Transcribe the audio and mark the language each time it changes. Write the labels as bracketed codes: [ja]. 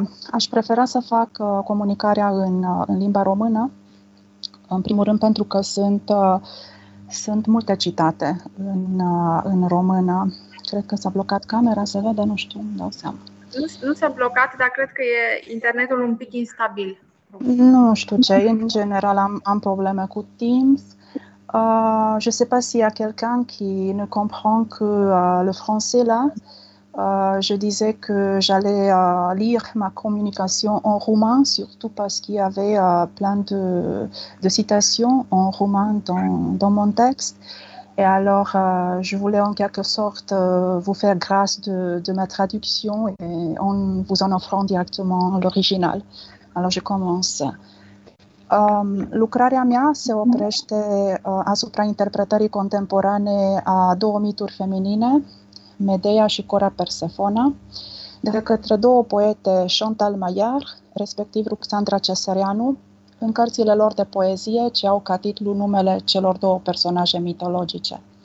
[ro] Aș prefera să fac comunicarea în limba română, în primul rând pentru că sunt multe citate în română. Cred că s-a blocat camera, se vede, nu știu, îmi dau seama. Nu s-a blocat, dar cred că e internetul un pic instabil. Nu știu ce, în general am probleme cu Teams. [fr] Je sais pas s'il y a quelqu'un qui ne comprend que le français là. Je disais que j'allais lire ma communication en roumain, surtout parce qu'il y avait plein de citations en roumain dans mon texte. Et alors, je voulais en quelque sorte vous faire grâce de ma traduction et en vous en offrant directement l'original. Alors, je commence. [ro] Lucrarea mea se oprește asupra interpretării contemporane a două mituri feminine, Medea și Cora Persefona, de către două poete, Chantal Maillard, respectiv Ruxandra Cesăreanu, în cărțile lor de poezie, ce au ca titlu numele celor două personaje mitologice.